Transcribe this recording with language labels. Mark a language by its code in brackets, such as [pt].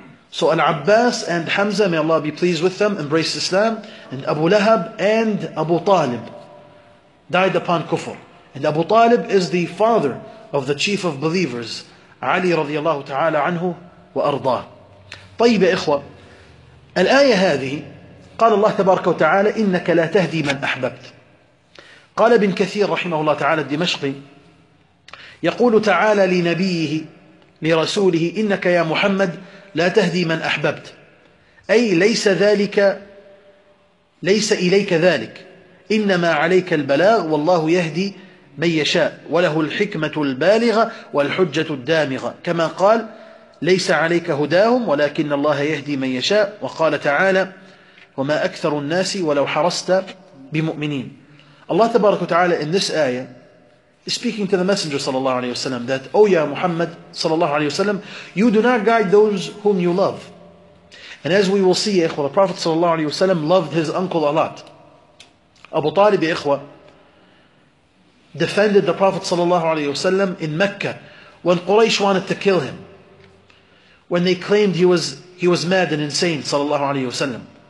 [en] So Al-Abbas and Hamza, may Allah be pleased with them, embraced Islam, and Abu Lahab and Abu Talib died upon kufr. And Abu Talib is the father of the chief of believers, Ali radiallahu ta'ala anhu wa arda. [ar] طيب يا إخوة الآية هذه قال الله تبارك وتعالى إنك لا تهدي من أحببت. قال ابن كثير رحمه الله تعالى الدمشقي يقول تعالى لنبيه لرسوله إنك يا محمد لا تهدي من أحببت، أي ليس ذلك، ليس إليك ذلك، إنما عليك البلاغ والله يهدي من يشاء وله الحكمة البالغة والحجة الدامغة، كما قال ليس عليك هداهم ولكن الله يهدي من يشاء، وقال تعالى وما أكثر الناس ولو حرصت بمؤمنين. الله تبارك وتعالى [en] in this ayah is speaking to the messenger صلى الله عليه وسلم that oh [ar] يا محمد صلى الله عليه وسلم [en] you do not guide those whom you love. And as we will see إخوة, the Prophet صلى الله عليه وسلم loved his uncle a lot. أبو طالب إخوة defended the Prophet صلى الله عليه وسلم in Mecca when Quraysh wanted to kill him, when they claimed he was mad and insane صلى الله عليه وسلم.